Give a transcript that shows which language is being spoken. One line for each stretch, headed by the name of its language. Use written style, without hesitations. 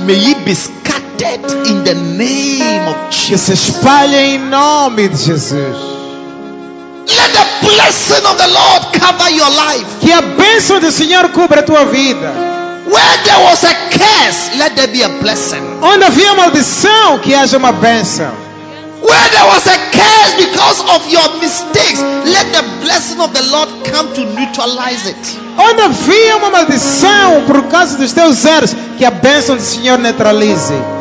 English: May it be scattered in the name of Jesus.
Portuguese: Que se espalhe em nome de Jesus.
English: Let the blessing of the Lord cover your life.
Portuguese: Que a bênção do Senhor cubra a tua vida.
English: Where there was a curse, let there be a blessing.
Portuguese: Onde havia maldição, que haja uma bênção.
English: Where there was a curse because of your mistakes, let the blessing of the Lord come to neutralize it.
Portuguese: Onde havia uma maldição por causa dos teus erros, que a bênção do Senhor neutralize.